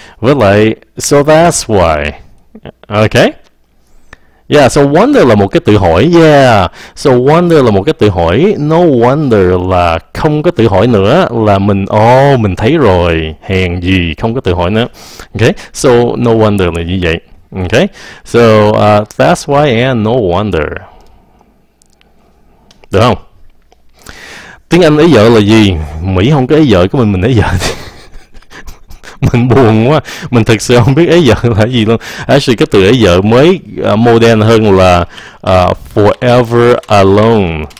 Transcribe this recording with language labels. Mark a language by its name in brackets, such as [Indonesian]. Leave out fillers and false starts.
[English] But like so that's why. Okay. [Vietnamese] Yeah, so wonder là một cái tự hỏi. Yeah, so wonder là một cái tự hỏi. No wonder là không có tự hỏi nữa. Là mình, mình thấy rồi. Hèn gì, không có tự hỏi nữa. Okay, so no wonder là như vậy. [English] Okay, so that's why I am no wonder. [Vietnamese] Được không? Tiếng Anh ấy vợ là gì? Mỹ không có ấy vợ, có mình ấy vợ. Mình buồn quá, mình thực sự không biết ấy vợ là gì luôn. Actually cái từ ấy vợ mới modern hơn là forever alone.